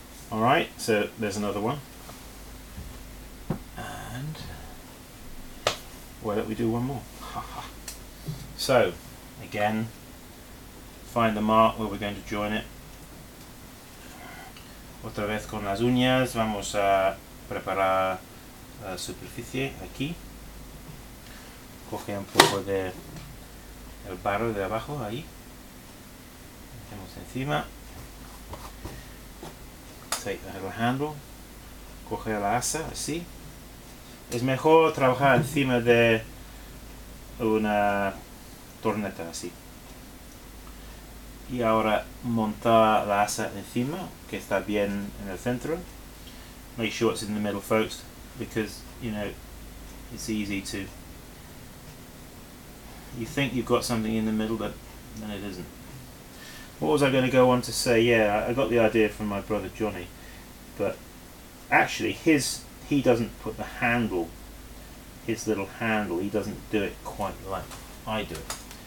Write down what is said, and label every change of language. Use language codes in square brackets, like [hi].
[en] All right, so there's another one, and why don't we do one more? So again, find the mark where we're going to join it. [es] Otra vez con las uñas, vamos a preparar la superficie aquí. Coge un poco de el barro de abajo, ahí. Metemos encima. [en] Take the little handle. [es] Coge la asa, así. Es mejor trabajar encima de una torneta, así. Y ahora montar la asa encima, que está bien en el centro. [en] Make sure it's in the middle, folks, because, you know, it's easy to... You think you've got something in the middle, but then it isn't. What was I going to go on to say? Yeah, I got the idea from my brother Johnny, but actually he doesn't put the handle, his little handle, he doesn't do it quite like I do it.